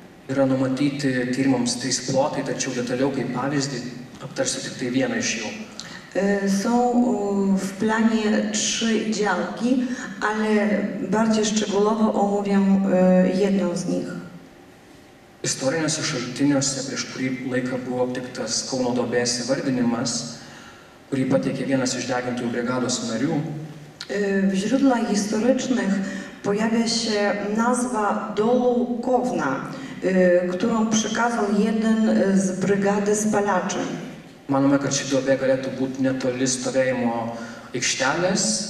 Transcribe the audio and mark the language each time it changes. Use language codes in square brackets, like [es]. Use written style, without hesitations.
[lt] Yra numatyti tyrimams trys plotai, tačiau detaliau kaip pavyzdį aptarsiu tik tai vieną iš jų. [pl] Są w planie trzy działki, ale bardziej szczegółowo omówię jedną z nich. [lt] Istoriniuose šaltiniuose prieš kurį laiką buvo aptiktas Kauno duobės įvardinimas, kurį pateikė vienas iš degintojų brigados narių. [pl] W źródłach historycznych pojawia się nazwa dolu Kowna, którą przekazał jeden z brygady spalaczy. [lt] Manome, kad ši duobė galėtų būti netoli stovėjimo aikštelės.